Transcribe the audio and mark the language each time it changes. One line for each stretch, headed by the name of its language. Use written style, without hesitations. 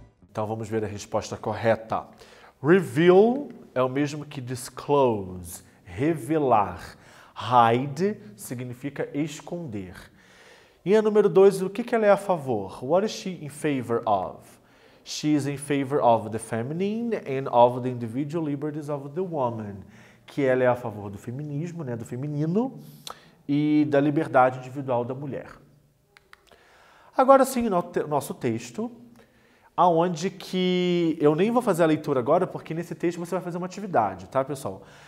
Portuguese: Então, vamos ver a resposta correta. Reveal é o mesmo que disclose, revelar. Hide significa esconder. E a número 2, o que ela é a favor?
English: What is she in favor of? She is in favor of the feminine and of the individual liberties of the woman.
Portuguese: Que ela é a favor do feminismo, né, do feminino, e da liberdade individual da mulher. Agora sim, nosso texto, aonde que eu nem vou fazer a leitura agora, porque nesse texto você vai fazer uma atividade, tá, pessoal?